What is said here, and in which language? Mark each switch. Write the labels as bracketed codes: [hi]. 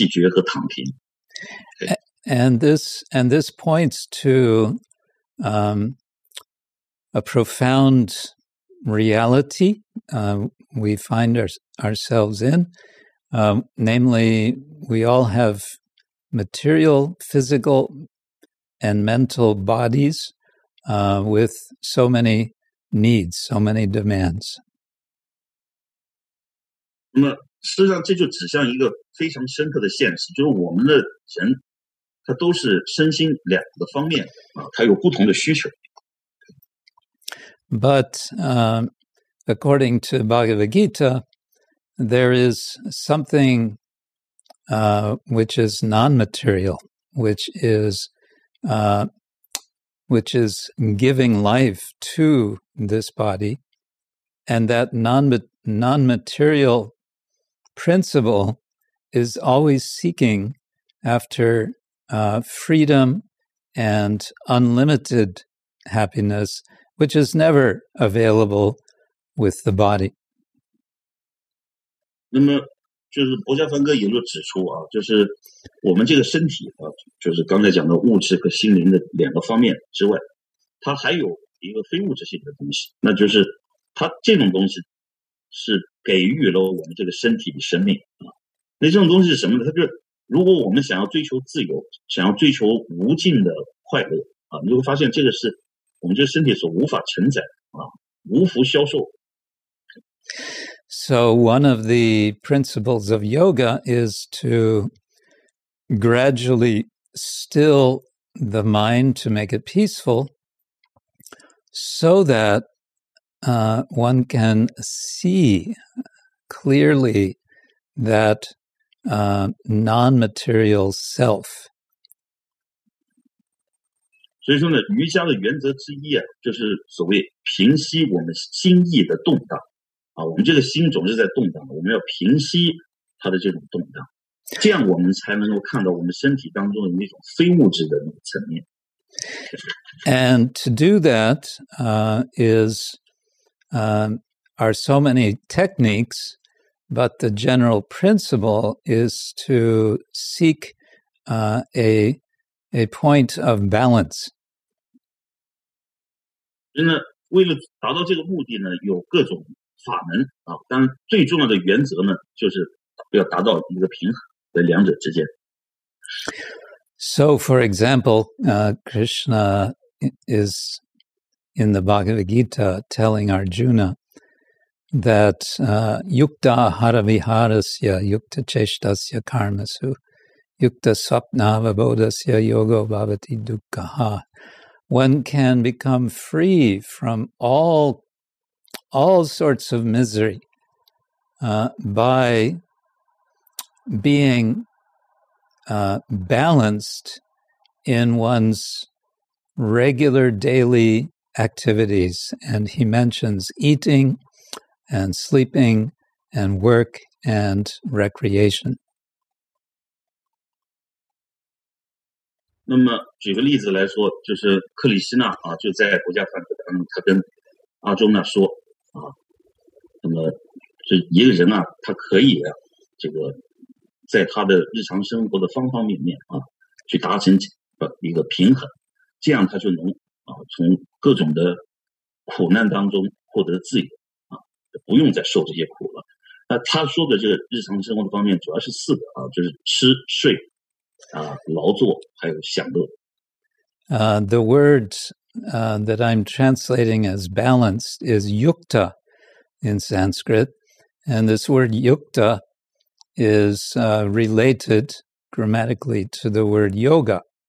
[zh] 它会有取得一种平衡，我们也可能就是追求享受，然后我们会感到厌倦，我们的感官就觉得厌足，然后我们就会走向另外一个方向，走向弃绝和躺平。 [en] And this points to a profound reality we find ourselves in, Namely, we all have material, physical, and mental bodies with so many needs, so many demands. [zh] 那实际上这就指向一个非常深刻的现实，就是我们的人，他都是身心两个方面啊，他有不同的需求。 [en] But according to Bhagavad Gita, there is something which is non-material, which is giving life to this body, and that non-material principle is always seeking after freedom and unlimited happiness, which is never available with the body. [zh] 那么就是薄伽梵歌也就指出啊，就是我们这个身体啊，就是刚才讲的物质和心灵的两个方面之外，它还有一个非物质性的东西，那就是它这种东西是给予了我们这个身体的生命啊。那这种东西是什么呢？它就是如果我们想要追求自由，想要追求无尽的快乐啊，你会发现这个是我们这个身体所无法承载啊，无福消受。 [en] So one of the principles of yoga is to gradually still the mind to make it peaceful so that one can see clearly that non-material self. [zh] 所以说呢，瑜伽的原则之一啊，就是所谓平息我们心意的动荡。啊，我们这个心总是在动荡的，我们要平息它的这种动荡，这样我们才能够看到我们身体当中的那种非物质的那个层面。 [en] And to do that, are so many techniques, but the general principle is to seek, a point of balance. [zh] 真的，为了达到这个目的呢，有各种。法门啊，但最重要的原则呢，就是要达到一个平衡在两者之间。 [en] So, for example, Krishna is in the Bhagavad Gita telling Arjuna that [sa] yukta haravihārasya yukta cheṣṭasya karmasu yukta svapnava bodhasya yogo bhavati dukkha. [en] One can become free from all sorts of misery by being balanced in one's regular daily activities. And he mentions eating and sleeping and work and recreation. [zh] 那么举个例子来说，就是克里希纳啊，就在国家反正他跟阿中呢说啊，那么是一个人啊，他可以啊，这个在他的日常生活的方方面面啊，去达成一个平衡，这样他就能啊，从各种的苦难当中获得自由啊，不用再受这些苦了。那他说的这个日常生活的方面，主要是四个啊，就是吃睡啊、劳作还有享乐。 [en] The words. That I'm translating as balanced is yukta in Sanskrit. And this word yukta is related grammatically to the word yoga.